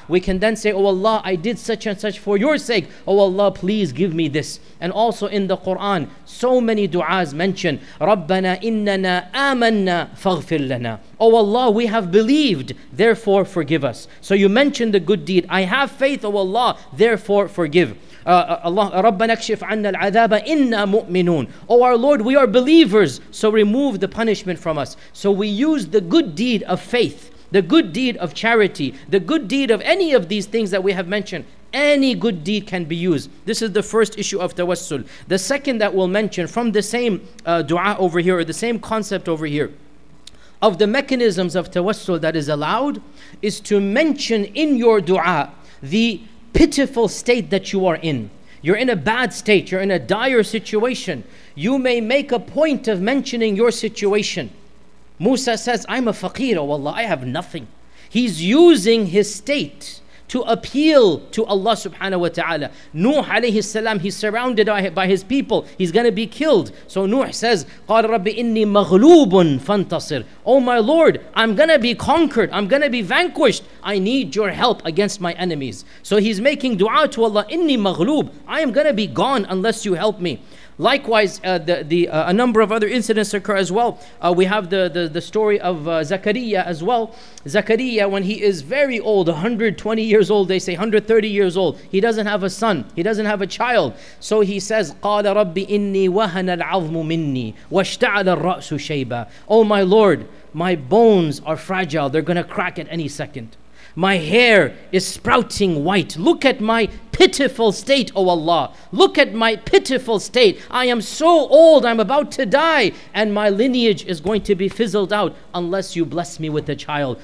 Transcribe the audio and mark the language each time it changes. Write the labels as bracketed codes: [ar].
[en] We can then say, oh Allah, I did such and such for your sake. Oh Allah, please give me this. And also in the Quran, so many du'as mention, [ar] رَبَّنَا إِنَّنَا آمَنَّا فَغْفِرْ لَنَا. [en] Oh Allah, we have believed, therefore forgive us. So you mention the good deed. I have faith, oh Allah, therefore forgive. [ar] Allah, رَبَّنَا اكْشِفْ عَنَّا الْعَذَابَ إِنَّا مُؤْمِنُونَ. [en] Oh our Lord, we are believers, so remove the punishment from us. So we use the good deed of faith, the good deed of charity, the good deed of any of these things that we have mentioned. Any good deed can be used. This is the first issue of tawassul. The second that we'll mention from the same dua over here, or the same concept over here, of the mechanisms of tawassul that is allowed, is to mention in your dua the pitiful state that you are in. You're in a bad state, you're in a dire situation. You may make a point of mentioning your situation. Musa says, I'm a faqir, oh Allah, I have nothing. He's using his state to appeal to Allah subhanahu wa ta'ala. Nuh alayhi salam, he's surrounded by his people, he's gonna be killed. So Nuh says, [ar] قَالَ رَبِّ إِنِّي مَغْلُوبٌ فَانْتَصِرْ. [en] Oh my Lord, I'm gonna be conquered, I'm gonna be vanquished. I need your help against my enemies. So he's making dua to Allah, [ar] إِنِّي مَغْلُوبٌ. [en] I am gonna be gone unless you help me. Likewise, a number of other incidents occur as well. We have the story of Zachariah as well. Zachariah, when he is very old, 120 years old, they say 130 years old, he doesn't have a son, he doesn't have a child. So he says, [ar] قَالَ رَبِّ إِنِّي وَهَنَ الْعَظْمُ مِنِّي وَاشْتَعَلَ الرَّأْسُ شَيْبًا. [en] Oh my Lord, my bones are fragile, they're gonna crack at any second. My hair is sprouting white. Look at my pitiful state, O Allah. Look at my pitiful state. I am so old, I'm about to die, and my lineage is going to be fizzled out unless you bless me with a child.